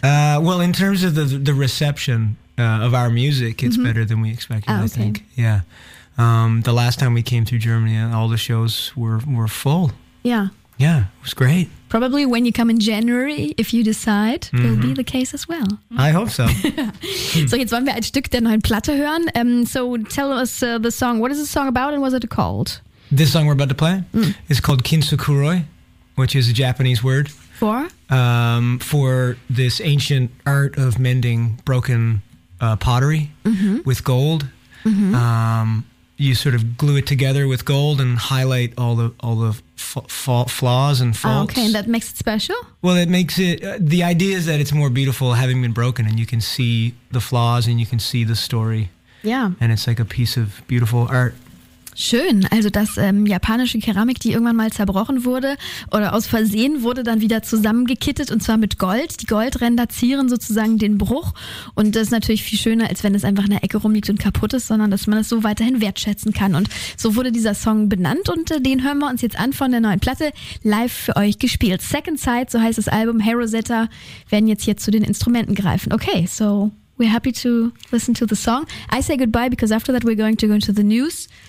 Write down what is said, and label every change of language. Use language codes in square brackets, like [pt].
[en] Well, in terms of the reception of our music, it's mm-hmm. better than we expected, I think. Yeah. The last time we came through Germany, all the shows were full. Yeah. Yeah, it was great. Probably when you come in January, if you decide, mm-hmm. will be the case as well. I hope so. [de] So, jetzt wollen wir ein Stück der neuen Platte hören. [en] So, tell us the song. What is the song about and was it called? This song we're about to play is called Kintsukuroi, which is a Japanese word. For? For this ancient art of mending broken pottery mm-hmm. with gold. Mm-hmm. You sort of glue it together with gold and highlight all the flaws and faults. Okay, and that makes it special? Well, it makes it, the idea is that it's more beautiful having been broken and you can see the flaws and you can see the story. Yeah. And it's like a piece of beautiful art. [de] Schön, also dass japanische Keramik, die irgendwann mal zerbrochen wurde oder aus Versehen wurde, dann wieder zusammengekittet und zwar mit Gold. Die Goldränder zieren sozusagen den Bruch und das ist natürlich viel schöner, als wenn es einfach in der Ecke rumliegt und kaputt ist, sondern dass man es so weiterhin wertschätzen kann. Und so wurde dieser Song benannt und den hören wir uns jetzt an von der neuen Platte, live für euch gespielt. Second Sight, so heißt das Album, Hey Rosetta, werden jetzt hier zu den Instrumenten greifen. [en] Okay, so we're happy to listen to the song. I say goodbye because after that we're going to go into the news.